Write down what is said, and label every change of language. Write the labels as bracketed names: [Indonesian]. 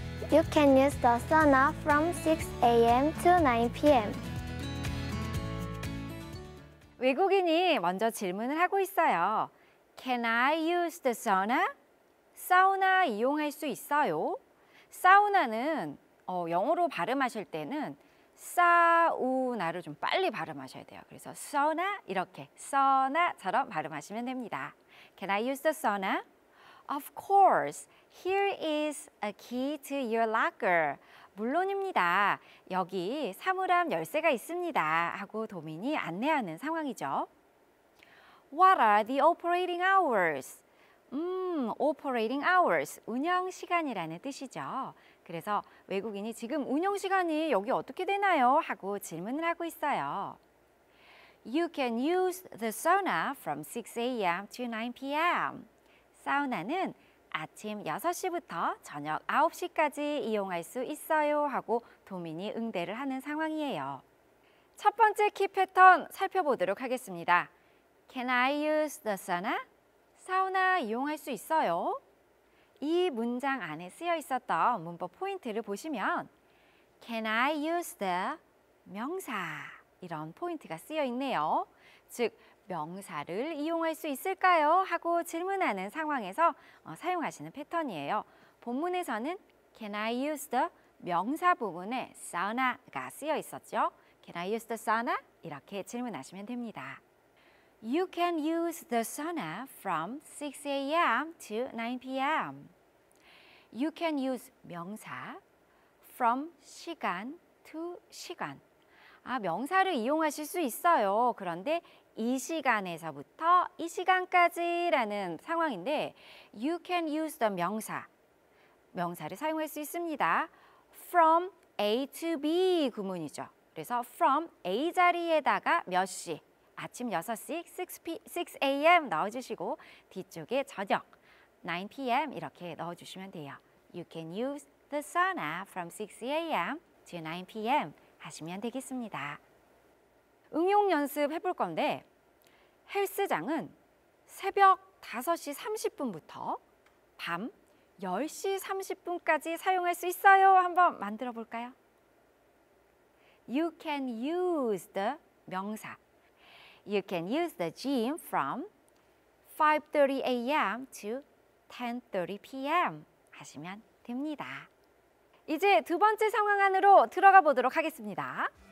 [English] You can use the sauna from 6 a.m. to 9 p.m. [Korean] 외국인이 먼저 질문을 하고 있어요. [English] Can I use the sauna? [Korean] 사우나 이용할 수 있어요? 사우나는 영어로 발음하실 때는 사우나를 좀 빨리 발음하셔야 돼요. 그래서 sauna 이렇게 sauna처럼 발음하시면 됩니다. [English] Can I use the sauna? Of course. Here is a key to your locker. [Korean] 물론입니다. 여기 사물함 열쇠가 있습니다. 하고 도민이 안내하는 상황이죠. [English] What are the operating hours? Operating hours. [Korean] 운영 시간이라는 뜻이죠. 그래서 외국인이 지금 운영 시간이 여기 어떻게 되나요? 하고 질문을 하고 있어요. [English] You can use the sauna from 6 a.m. to 9 p.m. [Korean] 사우나는 아침 6시부터 저녁 9시까지 이용할 수 있어요. 하고 도민이 응대를 하는 상황이에요. 첫 번째 키 패턴 살펴보도록 하겠습니다. [English] Can I use the sauna? [Korean] 사우나 이용할 수 있어요? 이 문장 안에 쓰여 있었던 문법 포인트를 보시면 Can I use the 명사? 이런 포인트가 쓰여 있네요. 즉, 명사를 이용할 수 있을까요? 하고 질문하는 상황에서 사용하시는 패턴이에요. 본문에서는 Can I use the 명사 부분에 sauna가 쓰여 있었죠? [English] Can I use the sauna? [Korean] 이렇게 질문하시면 됩니다. [English] You can use the sauna from 6 a.m. to 9 p.m. You can use 명사 from 시간 to 시간. [Korean] 아, 명사를 이용하실 수 있어요. 그런데 이 시간에서부터 이 시간까지라는 상황인데 [English] You can use the [Korean] 명사. 명사를 사용할 수 있습니다. From A to B 구문이죠. 그래서 from A 자리에다가 몇 시. 아침 6시, 6 a.m. 넣어주시고 뒤쪽에 저녁, 9 p.m. 이렇게 넣어주시면 돼요. [English] You can use the sauna from 6 a.m. to 9 p.m. [Korean] 하시면 되겠습니다. 응용 연습 해볼 건데 헬스장은 새벽 5시 30분부터 밤 10시 30분까지 사용할 수 있어요. 한번 만들어 볼까요? [English] You can use the 명사. You can use the gym from 5:30 a.m. to 10:30 p.m. [Korean] 하시면 됩니다. 이제 두 번째 상황 안으로 들어가 보도록 하겠습니다.